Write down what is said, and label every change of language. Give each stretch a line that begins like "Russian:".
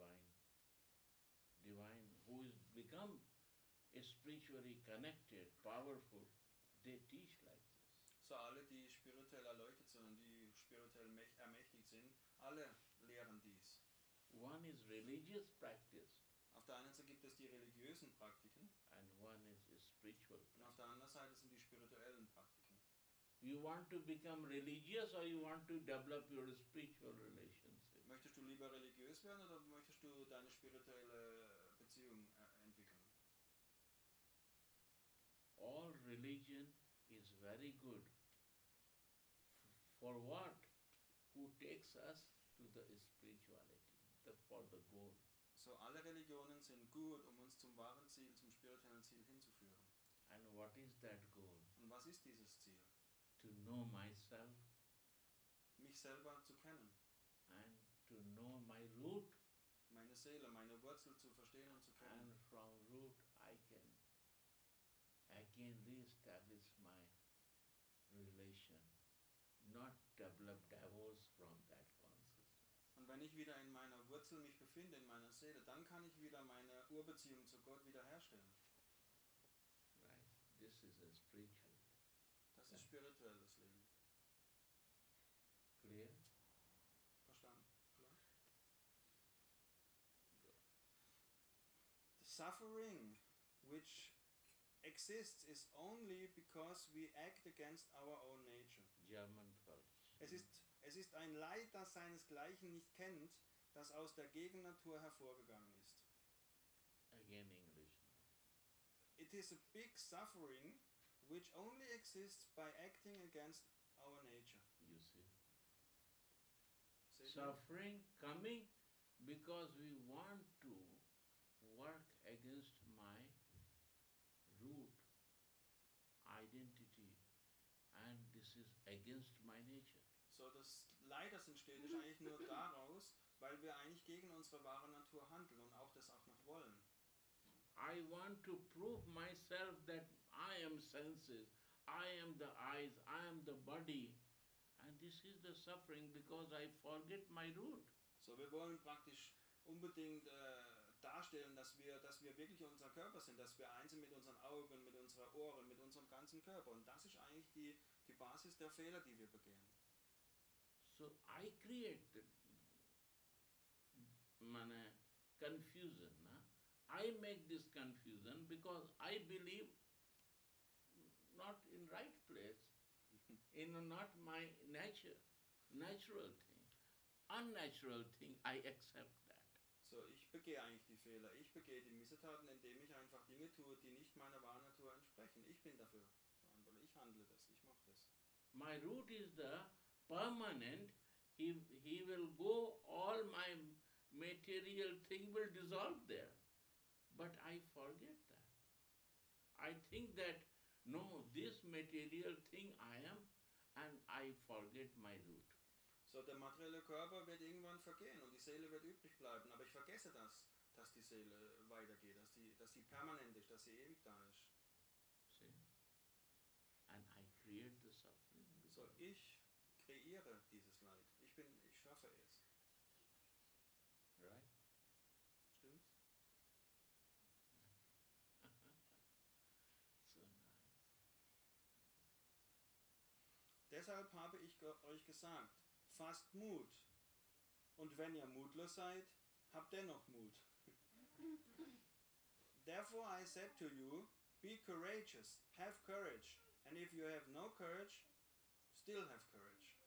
English: who has become spiritually connected, powerful, they teach like this.
German: So alle, die spirituell erleuchtet sind und die spirituell ermächtigt sind, alle lehren dies.
English: One is religious practice.
German: Auf der einen Seite gibt es die religiösen Praktiken.
English: And one is spiritual practice.
German: Und auf der anderen Seite sind die spirituellen Praktiken.
English: You want to become religious or you want to develop your spiritual relationship?
German: Möchtest du lieber religiös werden oder möchtest du deine spirituelle Beziehung entwickeln?
English: All religion is very good. For what? Who takes us to the spirituality? For the goal.
German: So alle Religionen sind gut, um uns zum wahren Ziel, zum spirituellen Ziel hinzuführen.
English: And what is that goal?
German: Und was ist dieses Ziel?
English: To know myself.
German: Mich selber zu kennen.
English: And to know my root.
German: Meine Seele, meine Wurzel zu verstehen und zu kennen.
English: And from root I can again re-establish my relation, not develop divorce from that consciousness.
German: Und wenn ich wieder in meiner Wurzel mich befinde, in meiner Seele, dann kann ich wieder meine Urbeziehung zu Gott wiederherstellen.
English: Right. This is a spiritual.
German: Das ist spirituelles Leben.
English: Clear?
German: Verstanden? Klar?
English: The suffering which exists is only because we act against our own nature. German Deutsch.
German: Es ist ein Leid, das seinesgleichen nicht kennt, das aus der Gegennatur hervorgegangen ist.
English: Again English. It is a big suffering which only exists by acting against our nature. You see. Suffering coming because we want to work against my root identity, and this is against my nature.
German: So das Leid, das entsteht, ist eigentlich nur daraus, weil wir eigentlich gegen unsere wahre Natur handeln und auch das auch noch wollen.
English: I want to prove myself that I am senses, I am the eyes, I am the body, and this is the suffering because I forget my root.
German: So wir wollen praktisch unbedingt darstellen, dass wir wirklich unser Körper sind, dass wir eins sind mit unseren Augen, mit unseren Ohren, mit unserem ganzen Körper. Und das ist eigentlich die Basis der Fehler, die wir begehen.
English: So I create
German: meine
English: confusion.
German: Na?
English: I make this confusion because I believe not in right place, in not my nature, natural thing. Unnatural thing I accept.
German: So, ich begehe eigentlich die Fehler. Ich begehe die Missetaten, indem ich einfach Dinge tue, die nicht meiner wahren Natur entsprechen. Ich bin dafür verantwortlich. Ich handle das. Ich mache das.
English: My root is the permanent. He will go, all my material thing will dissolve there. But I forget that. I think that, no, this material thing I am, and I forget my root.
German: So, der materielle Körper wird irgendwann vergehen und die Seele wird übrig bleiben. Aber ich vergesse das, dass die Seele weitergeht, dass sie permanent ist, dass sie ewig da ist.
English: See? And I create the suffering.
German: So, ich kreiere dieses Leid. Ich schaffe es.
English: Right?
German: Stimmt's?
English: So nice.
German: Deshalb habe ich euch gesagt, fasst Mut. Und wenn ihr mutlos seid, habt dennoch Mut.
English: Therefore I said to you, be courageous, have courage. And if you have no courage, still have courage.